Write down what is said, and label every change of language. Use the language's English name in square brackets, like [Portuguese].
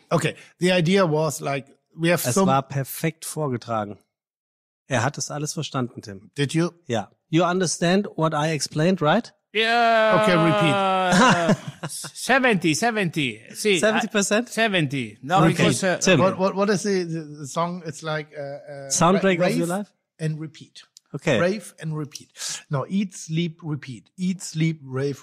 [English] Okay, the idea was like, we have [German] some... Es war perfekt vorgetragen. Er hat das alles verstanden, Tim. [English] Did you? [German] Ja. [English] You understand what I explained, right? Yeah. Okay, repeat. 70%? 70%. No, okay. Because, Tim. What is the song? It's like... soundtrack of your life? And repeat. Okay. Rave and repeat. No, eat, sleep, repeat. Eat, sleep, rave, repeat.